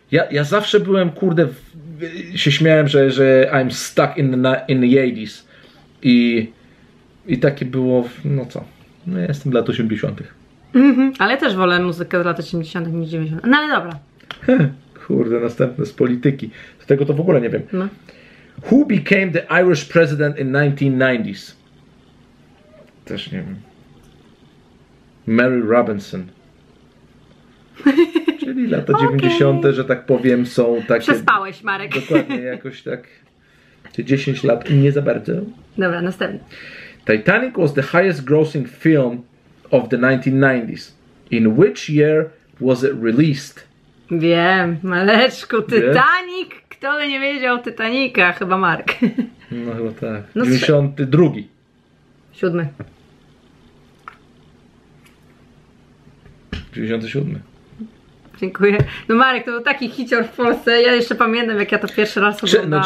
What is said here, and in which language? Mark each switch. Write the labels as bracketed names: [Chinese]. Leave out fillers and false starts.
[Polish] Ja zawsze byłem, kurde, się śmiałem, że [English] I'm stuck in the 80s. [Polish] I takie było. No co? No ja jestem lat 80. Ale też wolę muzykę z lat 80. niż 90. No ale dobra. Kurde, następne z polityki. Z tego to w ogóle nie wiem. No. [English] Who became the Irish president in 1990s? [Polish] Też nie wiem. Mary Robinson. Czyli lata okay. 90, że tak powiem, są takie... Przespałeś, Marek. Dokładnie, jakoś tak. Te 10 lat i nie za bardzo. Dobra, następny. [English] Titanic was the highest grossing film of the 1990s. In which year was it released? [Polish] Wiem, maleczku, Titanic! Wie? Kto by nie wiedział Titanica? Chyba Mark. No chyba tak. No 92. Siódmy. 97. Dziękuję. No Marek, to był taki hicior w Polsce. Ja jeszcze pamiętam, jak ja to pierwszy raz oglądałam.